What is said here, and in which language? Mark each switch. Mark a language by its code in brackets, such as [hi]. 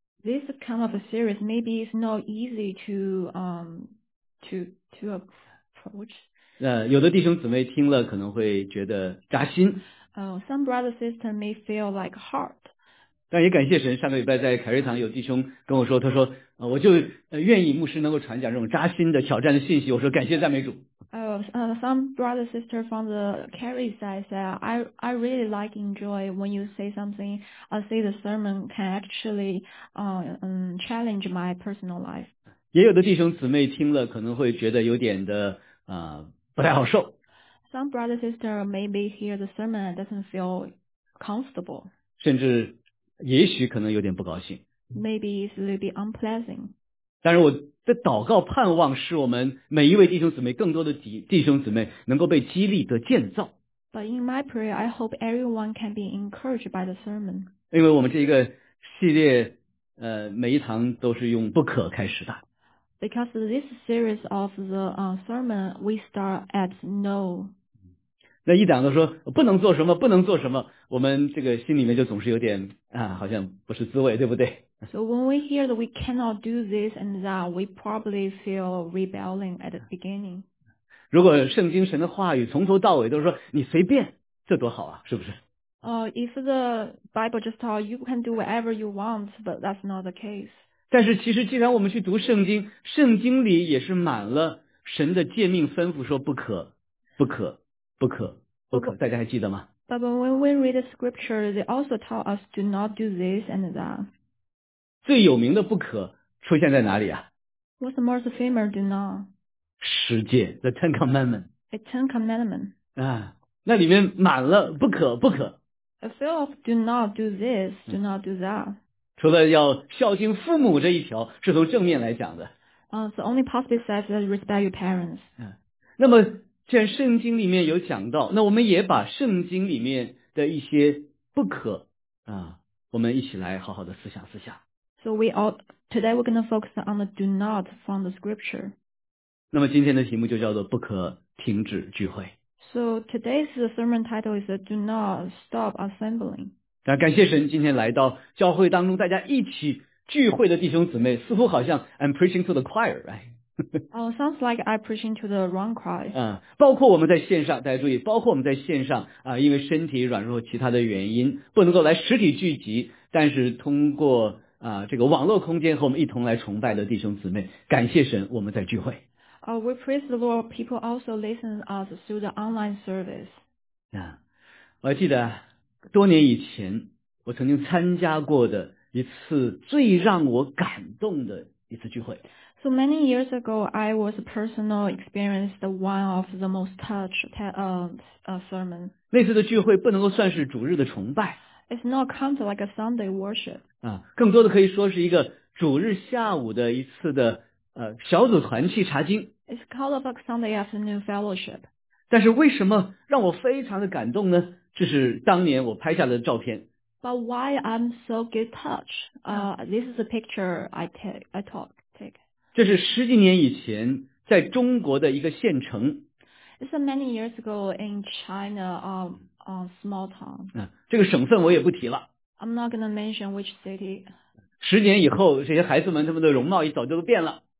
[en] This kind of a series maybe is not easy to approach. [zh] 有的弟兄姊妹听了可能会觉得扎心。 [en] Some brother sister may feel like hard. [zh] 但也感谢神，上个礼拜在凯瑞堂有弟兄跟我说，他说我就愿意牧师能够传讲这种扎心的挑战的信息，我说感谢赞美主。 [en] Some brother sister from the Carey side said, I really like enjoy when you say something, I say the sermon can actually, challenge my personal life. [zh] 也有的弟兄姊妹听了可能会觉得有点的不太好受。 [en] Some brother sister maybe hear the sermon and doesn't feel comfortable. [zh] 甚至也许可能有点不高兴。 [en] Maybe it's a little bit unpleasant. [zh] 但是我的祷告盼望是我们每一位弟兄姊妹，更多的弟兄姊妹能够被激励的建造。 [en] But in my prayer, I hope everyone can be encouraged by the sermon. [zh] 因为我们这一个系列每一堂都是用不可开始的。 [en] Because this series of the sermon, we start at no. [zh] 那一讲都说不能做什么，不能做什么，我们这个心里面就总是有点好像不是滋味，对不对 [en] ？So when we hear that we cannot do this and that, we probably feel rebelling at the beginning. [zh] 如果圣经神的话语从头到尾都说你随便，这多好啊，是不是？ [en] If the Bible just taught you can do whatever you want, but that's not the case. [zh] 但是其实，既然我们去读圣经，圣经里也是满了神的诫命吩咐，说不可，不可。不可，不可，大家还记得吗 [en] ？But when we read the scripture, they also tell us to not do this and that. [zh] 最有名的不可出现在哪里啊 [en] ？What's the most famous do not? [zh] 十诫 [en] ，the Ten Commandments. The Ten Commandments. [zh] 啊，那里面满了不可，不可。 [en] A few of do not do this, do not do that. [zh] 除了要孝敬父母这一条是从正面来讲的。 [en] So only possibly says that respect your parents. [zh] 那么。既然圣经里面有讲到，那我们也把圣经里面的一些不可我们一起来好好的思想思想。 [en] So we all, today we're going to focus on the do not from the scripture. [zh] 那么今天的题目就叫做不可停止聚会。 [en] So today's sermon title is do not stop assembling. [zh] 感谢神今天来到教会当中，大家一起聚会的弟兄姊妹似乎好像 [en] I'm preaching to the choir, right? Oh, sounds like I'm preaching to the wrong choir. [zh] 包括我们在线上，大家注意，包括我们在线上啊，因为身体软弱其他的原因，不能够来实体聚集，但是通过啊这个网络空间和我们一同来崇拜的弟兄姊妹，感谢神，我们在聚会。 [en] We praise the Lord. People also listen to us through the online service. [zh] 我记得多年以前我曾经参加过的一次最让我感动的一次聚会。 [en] So many years ago, I was personally experienced one of the most touched sermon. [zh] 那次的聚会不能够算是主日的崇拜。 [en] It's not count like a Sunday worship. [zh] 更多的可以说是一个主日下午的一次的小组团契查经。 [en] It's called of a Sunday afternoon fellowship. [zh] 但是为什么让我非常的感动呢？这是当年我拍下的照片。 [en] But why I'm so get touch? This is a picture I take. [zh] 这是十几年以前在中国的一个县城。 [en] It's many years ago in China, small town. [zh] 这个省份我也不提了。 [en] I'm not gonna mention which city. [zh] 十年以后，这些孩子们他们的容貌一早就都变了。